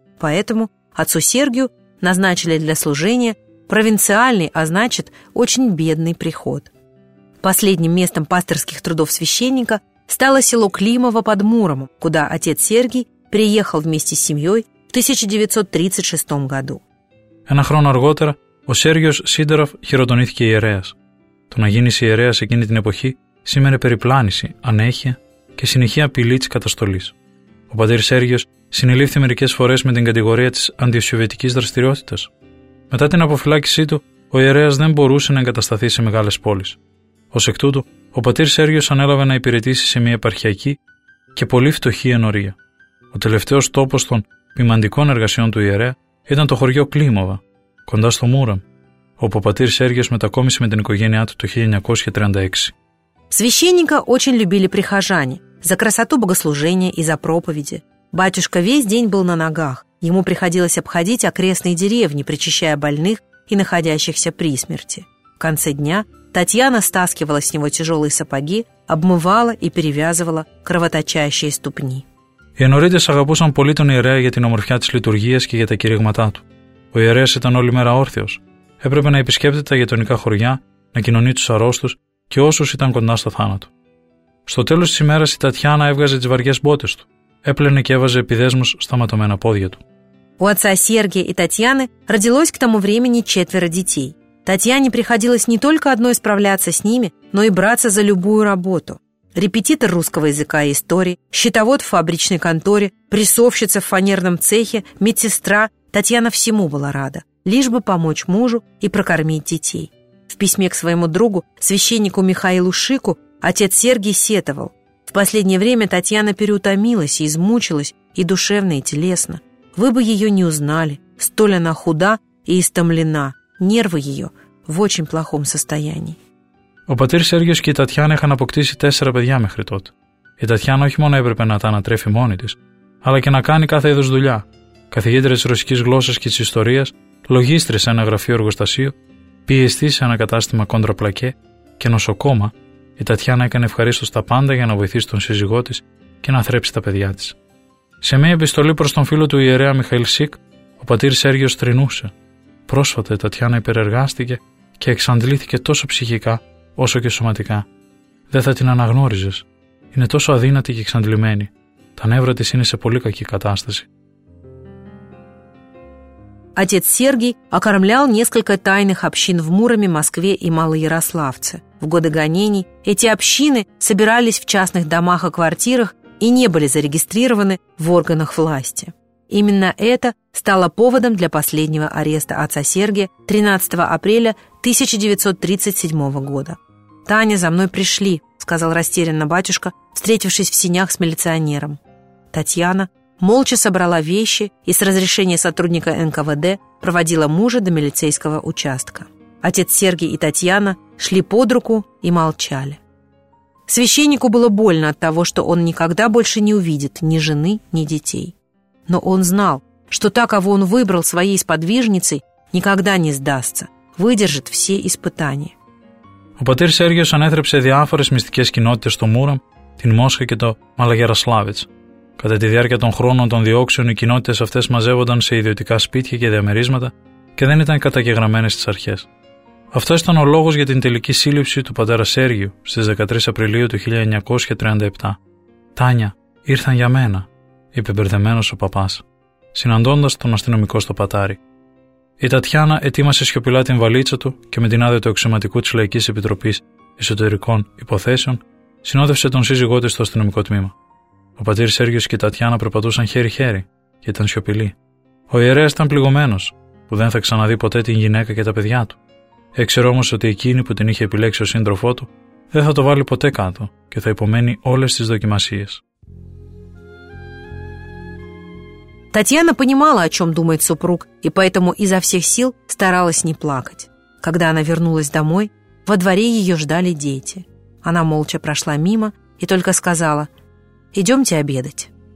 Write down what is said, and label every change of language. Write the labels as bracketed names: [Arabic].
[Russian] Поэтому отцу Сергию назначили для служения провинциальный, а значит, очень бедный приход. Последним местом пастырских трудов священника стало село Климово под Муромом, куда отец Сергий приехал вместе с семьей в 1936 году. [Greek] Ένα χρόνο αργότερα ο Σέργιος Σίδωροφ χειροτονήθηκε ιερέας. Το να γίνεις ιερέας εκείνη την εποχή σήμαινε περιπλάνηση, ανέχεια και συνεχή απειλή της καταστολής. Ο πατήρ Σέργιος συνελήφθη μερικές φορές με την κατηγορία της αντισοβιετικής δραστηριότητας. Μετά την αποφυλάκησή του, ο ιερέας δεν μπορούσε να εγκατασταθεί σε μεγάλες πόλεις. Ως εκ τούτου, ο πατήρ Σέργιος ανέλαβε να υπηρετήσει σε μια επαρχιακή και πολύ φτωχή ενορία. Ο τελευταίος τόπος των ποιμαντικών εργασιών του ιερέα ήταν το χωριό Κλίμοβα, κοντά στο Μούραμ, όπου ο πατήρ Σέργιος μετακόμισε με την οικογένειά του το 1936. [Russian] Священника очень любили прихожане за красоту богослужения и за проповеди. Батюшка весь день был на ногах. Ему приходилось обходить окрестные деревни, причащая больных и находящихся при смерти. В конце дня Татьяна стаскивала с него тяжелые сапоги, обмывала и перевязывала кровоточащие ступни. [Greek] Οι ενωρίτες αγαπούσαν πολύ τον ιερέα για την ομορφιά της λειτουργίας και για τα κηρύγματά του. Ο ιερέας ήταν όλη μέρα όρθιος. Έπρεπε να επισκέπτεται τα γειτονικά χωριά, να κοινωνεί τους αρρώστους και όσους ήταν κοντά στο θάνατο. Στο τέλος της ημέρας η Τατιάνα έβγαζε τις βαριές μπότες του, έπλαινε και έβαζε επιδέσμους στα ματωμένα πόδια του. [Russian] У отца Сергия и Татьяны родилось к тому времени четверо детей. Татьяне приходилось не только одной справляться с ними, но и браться за любую работу. Репетитор русского языка и истории, счетовод в фабричной конторе, прессовщица в фанерном цехе, медсестра. Татьяна всему была рада, лишь бы помочь мужу и прокормить детей. В письме к своему другу, священнику Михаилу Шику, отец Сергий сетовал. В последнее время Татьяна переутомилась и измучилась, и душевно, и телесно. Вы бы ее не узнали, столь она худа и истомлена, нервы ее в очень плохом состоянии. [Greek] Ο πατήρ Σέργιος και η Τατιάνα είχαν αποκτήσει 4 παιδιά μέχρι τότε. Η Τατιάνα όχι μόνο έπρεπε να τα ανατρέφει μόνη της, αλλά και να κάνει κάθε είδους δουλειά. Καθηγήτρια της ρωσικής γλώσσας και της ιστορίας, λογίστρια σε ένα γραφείο εργοστασίου, πιεστή σε ένα κατάστημα κόντρα πλακέ και νοσοκόμα, η Τατιάνα έκανε ευχαρίστως τα πάντα για να βοηθήσει τον σύζυγό της και να θρέψει τα παιδιά της. Σε μια επιστολή προς τον φίλο του ιερέα Μιχαήλ Σικ, ο πατήρ Σέργιος τρινούσε. Πρόσφατα η Τατιάνα υπερεργάστηκε και εξαντλήθηκε τόσο ψυχικά όσο και σωματικά. Δεν θα την αναγνώριζες. Είναι τόσο αδύνατη και εξαντλημένη. Τα νεύρα της είναι σε πολύ κακή κατάσταση. [Russian] Отец Сергий окормлял несколько тайных общин в Муроме, Москве и Малоярославце. В годы гонений эти общины собирались в частных домах и квартирах и не были зарегистрированы в органах власти. Именно это стало поводом для последнего ареста отца Сергия 13 апреля 1937 года. «Таня, за мной пришли», — сказал растерянно батюшка, встретившись в сенях с милиционером. Татьяна молча собрала вещи и с разрешения сотрудника НКВД проводила мужа до милицейского участка. Отец Сергий и Татьяна шли под руку и молчали. Священнику было больно от того, что он никогда больше не увидит ни жены, ни детей. Но он знал, что та, кого он выбрал своей сподвижницей, никогда не сдастся, выдержит все испытания. [Greek] Ο πατήρ Σέργιος ανέθρεψε διάφορες μυστικές κοινότητες στο Μούραμ, την Μόσχα και το Μαλαγιαρασλάβιτς. Κατά τη διάρκεια των χρόνων των διώξεων, οι κοινότητες αυτές μαζεύονταν σε ιδιωτικά σπίτια και διαμερίσματα και δεν ήταν καταγεγραμμένες στις αρχές. Αυτό ήταν ο λόγος για την τελική σύλληψη του πατέρα Σέργιου στις 13 Απριλίου του 1937. «Τάνια, ήρθαν για μένα», είπε μπερδεμένος ο παπάς, συναντώντας τον αστυνομικό στο πατάρι. Η Τατιάνα ετοίμασε σιωπηλά την βαλίτσα του και με την άδεια του αξιωματικού της Λαϊκής Επιτροπής Εσωτερικών Υποθέσεων συνόδευσε τον σύζυγό της στο αστυνομικό τμήμα. Ο πατήρ Σέργιος και η Τατιάνα περπατούσαν χέρι-χέρι και ήταν σιωπηλοί. Ο ιερέας ήταν πληγωμένος, που δεν θα ξαναδεί ποτέ την γυναίκα και τα παιδιά του. Έξερε όμως ότι εκείνη που την είχε επιλέξει ο σύντροφό του δεν θα το βάλει ποτέ κάτω και θα υπομένει όλες τις δοκιμασίες. [Russian] Татьяна понимала, о чем думает супруг, и поэтому изо всех сил старалась не плакать. Когда она вернулась домой, во дворе ее ждали дети. Она молча прошла мимо и только сказала: «Идемте обедать».